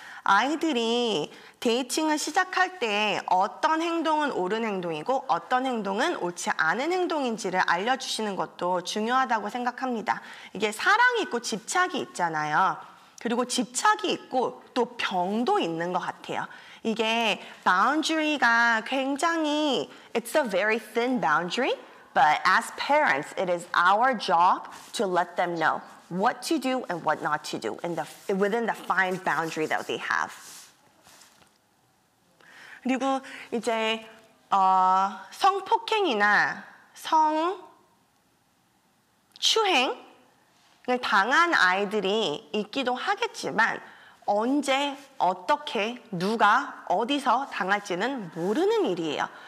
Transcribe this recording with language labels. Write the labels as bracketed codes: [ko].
[ko] 아이들이 데이팅을 시작할 때 어떤 행동은 옳은 행동이고 어떤 행동은 옳지 않은 행동인지를 알려주시는 것도 중요하다고 생각합니다. 이게 사랑이 있고 집착이 있잖아요. 그리고 집착이 있고 또 병도 있는 것 같아요. 이게 boundary가 굉장히 [en] it's a very thin boundary, but as parents, it is our job to let them know what to do and what not to do in the, within the fine boundary that they have. [ko] 그리고 이제 성폭행이나 성추행을 당한 아이들이 있기도 하겠지만 언제, 어떻게, 누가, 어디서 당할지는 모르는 일이에요.